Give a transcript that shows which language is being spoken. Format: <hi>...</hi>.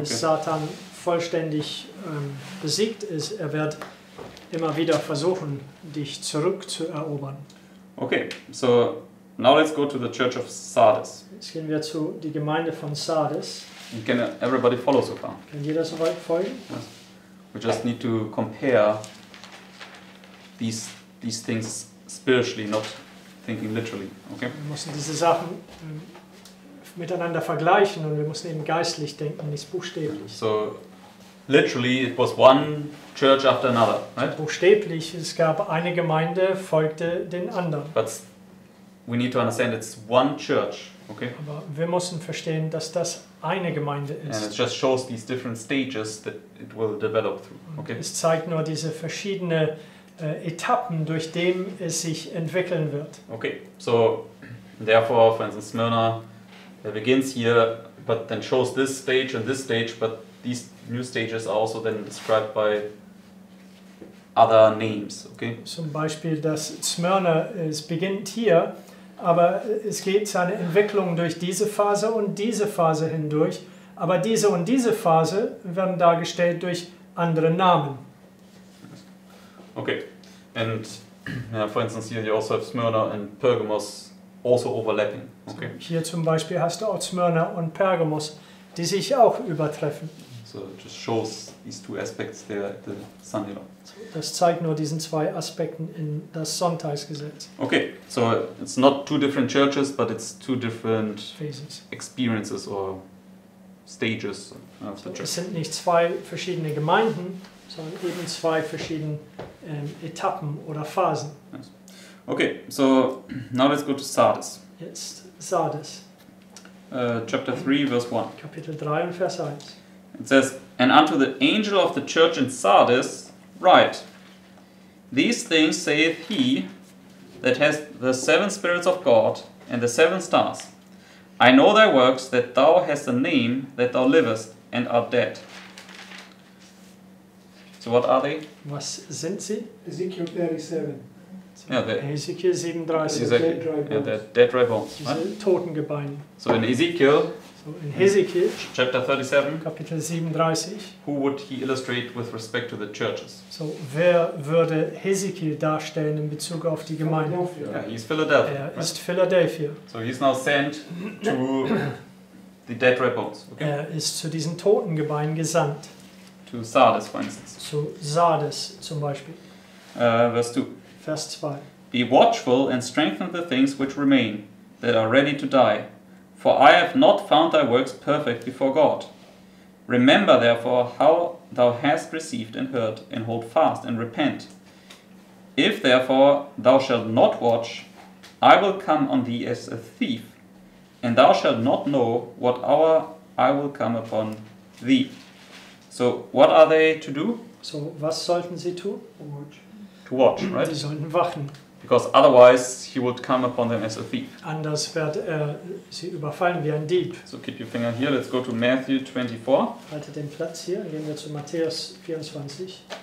<de>Bis Satan vollständig besiegt ist, wird immer wieder versuchen, dich zurückzuerobern.</de> <en>Okay, so now let's go to the Church of Sardis.</en> <de>Jetzt gehen wir zu die Gemeinde von Sardis.</de> <en>And can everybody follow so far?</en> <de>Kann jeder so weit folgen?</de> <en>Yes. We just need to compare these things spiritually, not thinking literally. Okay?</en> <de>Wir müssen diese Sachen miteinander vergleichen und wir müssen eben geistlich denken, nicht buchstäblich.</de> <en>So, literally, it was one church after another, right? So</en> <de>buchstäblich, es gab eine Gemeinde, folgte den anderen.</de> <en>But we need to understand it's one church, okay?</en> <de>Aber wir müssen verstehen, dass das eine Gemeinde ist.</de> <en>And it just shows these different stages that it will develop through, okay?</en> <de>Es zeigt nur diese verschiedenen Etappen, durch die es sich entwickeln wird.</de> <en>Okay, so, therefore, for instance, Smyrna begins here, but then shows this stage and this stage, but these new stages are also then described by other names, okay?</en> <de>Zum Beispiel, dass Smyrna, es beginnt hier, aber es geht seine Entwicklung durch diese Phase hindurch, aber diese und diese Phase werden dargestellt durch andere Namen.</de> <en>Okay, and for instance, here you also have Smyrna and Pergamos also overlapping, okay?</en> <de>So hier zum Beispiel hast du auch Smyrna und Pergamos, die sich auch übertreffen.</de> <en>So it just shows these two aspects there at the Sanhedrin.</en> <de>Das zeigt nur diesen zwei Aspekten in das Sonntagsgesetz.</de> <en>Okay, so it's not two different churches, but it's two different phases. Experiences or stages of the church.</en> <de>Es sind nicht zwei verschiedene Gemeinden, sondern eben zwei verschiedene Etappen oder Phasen.</de> <en>Yes. Okay, so now let's go to Sardis.</en> <de>Jetzt Sardis.</de> <en>Chapter 3, verse 1.</en> <de>Kapitel 3 und Vers 1.</de> <en>It says, "And unto the angel of the church in Sardis write, these things saith he that hath the seven spirits of God and the seven stars. I know thy works, that thou hast a name, that thou livest and art dead." So what are they?</en> <de>Was sind sie?</de> <en>Ezekiel 37.</en> <de>Ezekiel 37.</de> <en>They're dead dry bones. Right?</en> <de>Totengebeine.</de> <en>So in Ezekiel,</en> <de>in Hezekiel,</de> <en>chapter 37,</en> <de>Kapitel 37,</de> <en>who would he illustrate with respect to the churches?</en> <de>So, wer würde Hezekiel darstellen in Bezug auf die Gemeinde?</de> <en>Yeah, he's Philadelphia.</en> <de>Er ist Philadelphia.</de> <en>So he's now sent to the dead rebels. Okay.</en> <de>Er ist zu diesen Totengebeinen gesandt.</de> <en>To Sardis, for instance.</en> <de>Zu Sardis, zum Beispiel.</de> <en>Verse 2.</en> <de>Vers 2.</de> <en>Be watchful and strengthen the things which remain, that are ready to die. For I have not found thy works perfect before God. Remember therefore how thou hast received and heard, and hold fast and repent. If therefore thou shalt not watch, I will come on thee as a thief, and thou shalt not know what hour I will come upon thee. So what are they to do?</en> <de>So was sollten sie tun?</de> <en>Watch. To watch, right?</en> <de>Sie sollten wachen.</de> <en>Because otherwise he would come upon them as a thief.</en> <de>Anders wird er sie überfallen wie ein Dieb.</de> <en>So keep your finger here, let's go to Matthew 24.</en> <de>Halte den Platz hier, gehen wir zu Matthäus 24.</de>